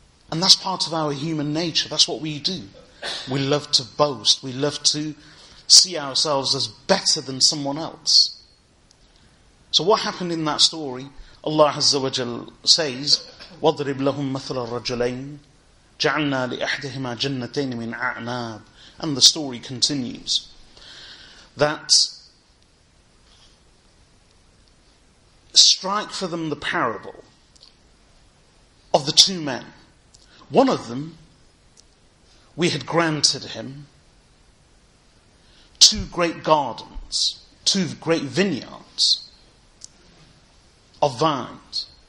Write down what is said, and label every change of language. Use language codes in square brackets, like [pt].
[en] And that's part of our human nature. That's what we do. We love to boast. We love to see ourselves as better than someone else. So what happened in that story? [ar] Allah Azza wa Jal says, وَضْرِبْ لَهُمْ مَثَلَ الرَّجُلَيْنِ جَعَلْنَا لِأَحْدِهِمَا جَنَّتَيْنِ مِنْ أَعْنَابٍ. [en] And the story continues that strike for them the parable of the two men. One of them, we had granted him two great gardens, two great vineyards of vines.